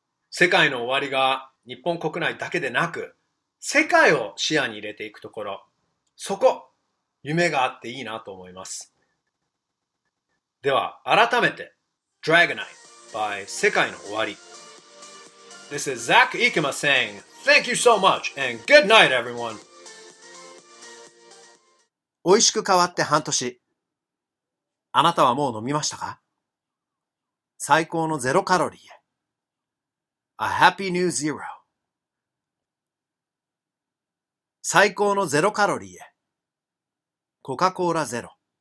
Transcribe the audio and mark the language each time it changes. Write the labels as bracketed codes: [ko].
[ja] 世界の終わりが日本国内だけでなく世界を視野に入れていくところ、そこ夢があっていいなと思います。では改めて Dragonite by 世界の終わり。 [en] This is Zach Ikema saying thank you so much and good night everyone。 [ja] おいしく変わって半年。あなたはもう飲みましたか？最高のゼロカロリーへ。 [en] A happy new zero. [ja] 最高のゼロカロリーへ。コカ・コーラゼロ。